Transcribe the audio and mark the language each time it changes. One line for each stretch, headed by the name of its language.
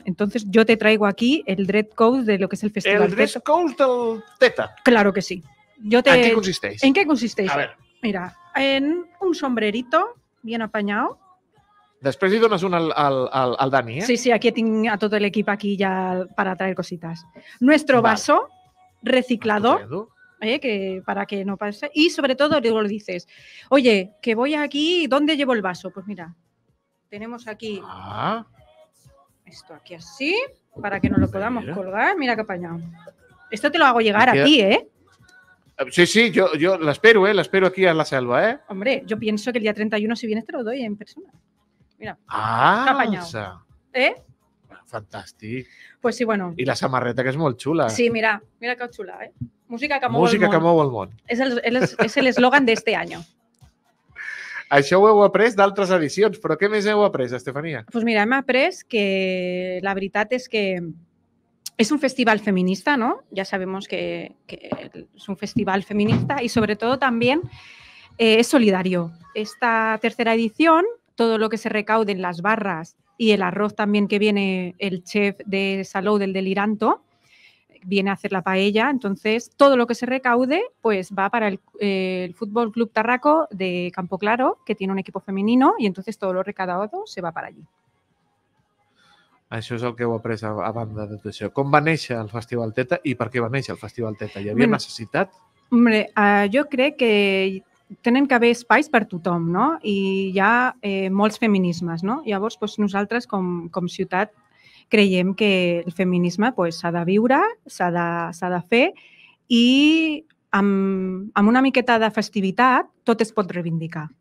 Spanish: Entonces yo te traigo aquí el dress code de lo que es el festival. ¿El dress code del Teta? Claro que sí. ¿En qué consisteis? ¿En qué consisteis? A ver. Mira, en un sombrerito bien apañado.
Catalan: Després hi dones un al Dani, eh? Sí, sí, aquí tinc a tot l'equip aquí ja
Spanish: para traer cositas. Nuestro vaso reciclado, que para que no pase. Y sobre todo, luego lo dices, oye, que voy aquí, ¿dónde llevo el vaso? Pues mira, tenemos aquí esto aquí así, para que nos lo podamos colgar. Mira qué apañado. Esto te lo hago llegar a ti, ¿eh?
Catalan: Sí, sí, yo l'espero, ¿eh? L'espero aquí a la selva, ¿eh?
Spanish: Hombre, yo pienso que el día 31, si vienes, te lo doy en persona. Mira, qué apañado. ¿Eh?
Catalan: Fantàstic.
Spanish: Pues sí, bueno.
Catalan: I la samarreta, que és molt xula. Sí, mira, mira que xula, eh? Música que mou música el món. Música que mou el món. És el eslògan d'este any. Això ho heu après d'altres edicions, però què més heu après, Estefania? Pues mira, hem après que la veritat és que és un festival feminista, no? Ja sabem que és un festival feminista i sobretot també és solidari. Esta tercera edició, tot el que se recaude en les barres
Spanish: y el arroz también que viene el chef de Salou, del Deliranto, viene a hacer la paella. Entonces, todo lo que se recaude pues va para el Fútbol Club Tarraco de Campo Claro, que tiene un equipo femenino, y entonces todo lo recaudado se va para allí.
Catalan: Això és el que heu après a banda de tot això. Com va néixer el Festival Teta i per què va néixer el Festival Teta? Hi havia necessitat? Hombre, jo crec que tenen que haver espais per tothom, no? I hi ha molts feminismes, no? Llavors, doncs, nosaltres com ciutat creiem que el feminisme s'ha doncs, de viure, s'ha de fer i amb una miqueta de festivitat tot es pot reivindicar.